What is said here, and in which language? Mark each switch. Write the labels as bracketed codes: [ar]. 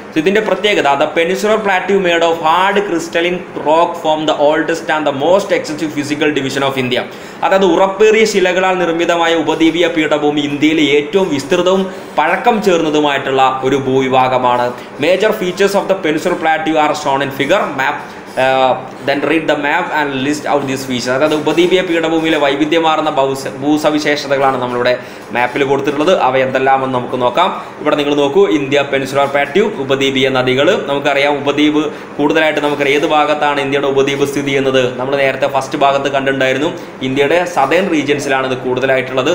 [ml] ഇതിൻ്റെ പ്രത്യേകത, [en] The peninsular plateau made of hard crystalline rock form the oldest and the most extensive physical division of India. [ml] അതായത് ഉറപ്പേറിയ ശിലകളാൽ നിർമ്മിതമായ ഉപദ്വീപീയ പീഠഭൂമി ഇന്ത്യയിലെ ഏറ്റവും വിസ്തൃതവും പഴക്കം ചേർന്നതുമായിട്ടുള്ള ഒരു ഭൂവിഭാഗമാണ്. [en] Major features of the peninsular plateau are shown in figure map. Then read the map and list out these features. [ml] അതായത് ഉപദ്വീപീയ പീഠഭൂമിയിലെ വൈവിധ്യമാർന്ന ഭൂസവിശേഷതകളാണ് നമ്മളിവിടെ മാപ്പിൽ കൊടുത്തിട്ടുള്ളത്. അവ എന്തെല്ലാമെന്ന് നമുക്ക് നോക്കാം. ഇവിടെ നിങ്ങൾ നോക്കൂ, ഇന്ത്യ പെനിൻസുലർ പ്ലാറ്റ്യൂ, ഉപദ്വീപീയ നദികൾ. നമുക്കറിയാം ഉപദ്വീപ് കൂടുതലായിട്ട് നമുക്ക് ഏത് ഭാഗത്താണ് ഇന്ത്യയുടെ ഉപദ്വീപ് സ്ഥിതി ചെയ്യുന്നത്. നമ്മൾ നേരത്തെ ഫസ്റ്റ് ഭാഗത്ത് കണ്ടിട്ടുണ്ടായിരുന്നു ഇന്ത്യയുടെ സദേൺ റീജ്യൻസിലാണ് ഇത് കൂടുതലായിട്ടുള്ളത്.